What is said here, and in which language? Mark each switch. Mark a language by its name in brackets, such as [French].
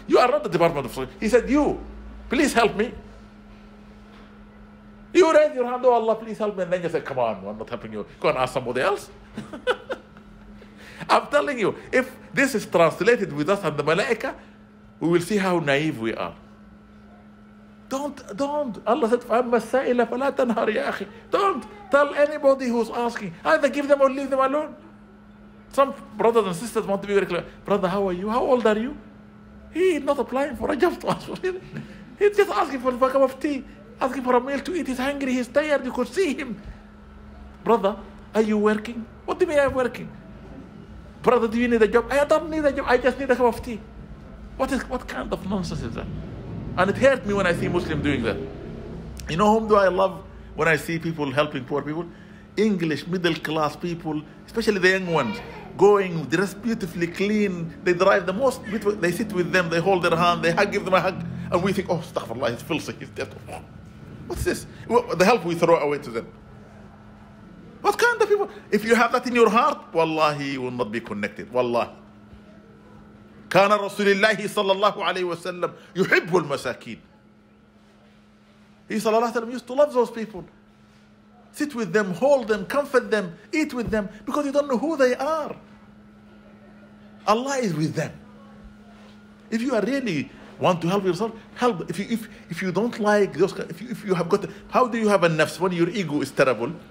[English] You are not the Department of Social Security. He said, you, please help me. You raise your hand, oh Allah, please help me. And then you say, come on, I'm not helping you. Go and ask somebody else. I'm telling you, if this is translated with us and the Malaika, we will see how naive we are. Don't. [Arabic] Allah said, فَأَمَّا السَّائِلَ فَلَا تَنْهَرْ يَا أَخِي. [English] Don't tell anybody who's asking. Either give them or leave them alone. Some brothers and sisters want to be very clear. Brother, how are you? How old are you? He's not applying for a job to ask for it. He's just asking for a cup of tea, asking for a meal to eat. He's hungry, he's tired, you could see him. Brother, are you working? What do you mean I'm working? Brother, do you need a job? I don't need a job, I just need a cup of tea. What kind of nonsense is that? And it hurt me when I see Muslims doing that. You know whom do I love when I see people helping poor people? English, middle class people, especially the young ones, going dressed beautifully, clean. They drive the most, they sit with them, they hold their hand, they give them a hug. And we think, oh, astaghfirullah, he's filthy, he's dead. What's this? The help we throw away to them. What kind of people? If you have that in your heart, wallahi, you will not be connected. Wallahi. [Arabic] كان رسول الله صلى الله عليه وسلم يحب المساكين. [English] He صلى الله عليه وسلم used to love those people. Sit with them, hold them, comfort them, eat with them, because you don't know who they are. Allah is with them. If you are really want to help yourself, help. If you don't like those, if you have got, how do you have a nafs when your ego is terrible?